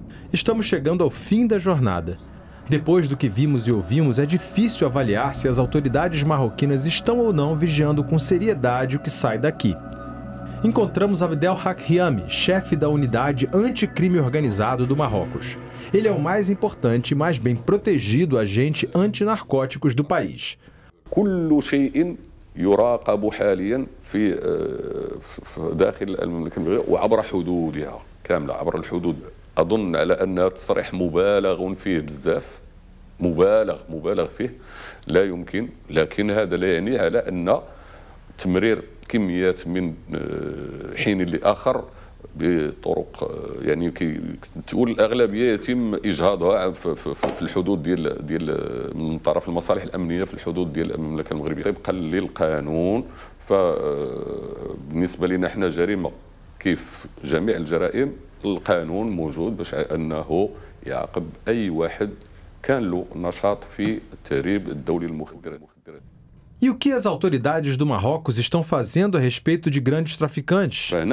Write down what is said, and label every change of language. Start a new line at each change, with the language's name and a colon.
Portuguese: Estamos chegando ao fim da jornada. Depois do que vimos e ouvimos, é difícil avaliar se as autoridades marroquinas estão ou não vigiando com seriedade o que sai daqui. Encontramos Abdel Hakhiami, chefe da unidade anticrime organizado do Marrocos. Ele é o mais importante e mais bem protegido agente antinarcóticos do país. Tudo que é
Arabic: يراقبوا حاليا في داخل المملكة وعبر حدودها كاملة عبر الحدود أظن على أن تصريح مبالغ فيه بزاف مبالغ فيه لا يمكن لكن هذا لا يعني على أن تمرير كميات من حين لآخر بطرق يعني كي تقول الأغلبية يتم إجهاضها في الحدود ديال من طرف المصالح الأمنية في الحدود ديال المملكة المغربية طبقا للقانون فبالنسبة لنا احنا جريمة كيف جميع الجرائم القانون موجود باش أنه يعاقب أي واحد كان له نشاط في التهريب الدولي للمخدرات.
Portuguese: E o que as autoridades do Marrocos estão fazendo a respeito de grandes traficantes?